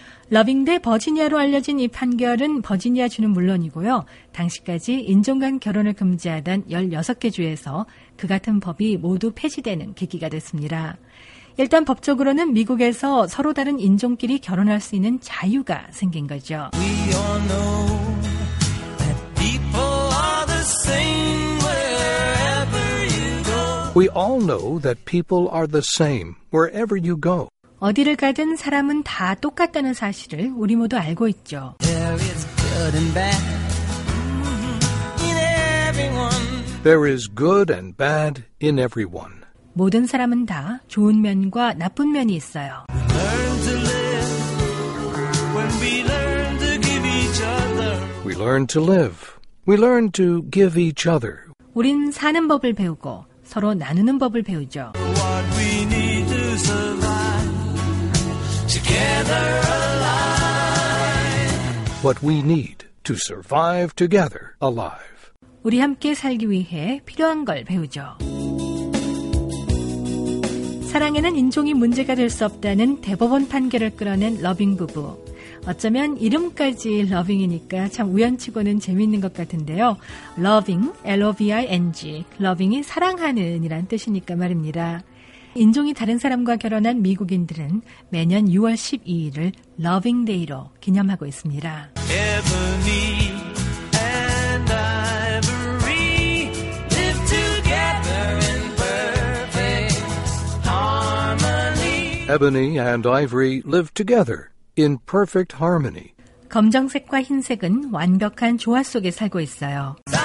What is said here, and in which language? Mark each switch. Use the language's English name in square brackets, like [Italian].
[Korean] 러빙 대 버지니아로 알려진 이 판결은 버지니아 주는 물론이고요. 당시까지 인종 간 결혼을 금지하던 16개 주에서 그 같은 법이 모두 폐지되는 계기가 됐습니다. 일단 법적으로는 미국에서 서로 다른 인종끼리 결혼할 수 있는 자유가 생긴 거죠. [English] We all know that people are the same wherever you go. We all know that people are the same wherever you go. [Korean] 어디를 가든 사람은 다 똑같다는 사실을 우리 모두 알고 있죠. [English] There is good and bad in everyone. There is good and bad in everyone. [Korean] 모든 사람은 다 좋은 면과 나쁜 면이 있어요. [English] We learn to live when we learn to give each other. We learn to live. We learn to give each other. [Korean] 우린 사는 법을 배우고 서로 나누는 법을 배우죠. [English] What we need to survive together alive. What we need to survive together alive. [Korean] 우리 함께 살기 위해 필요한 걸 배우죠. 사랑에는 인종이 문제가 될 수 없다는 대법원 판결을 끌어낸 러빙 부부. 어쩌면 이름까지 러빙이니까 참 우연치고는 재미있는 것 같은데요. 러빙, L-O-V-I-N-G, 러빙이 사랑하는 이란 뜻이니까 말입니다. 인종이 다른 사람과 결혼한 미국인들은 매년 6월 12일을 러빙 데이로 기념하고 있습니다. [English] Ebony and ivory live together in perfect harmony. Ebony and ivory live together in perfect harmony. [Korean] 검정색과 흰색은 완벽한 조화 속에 살고 있어요.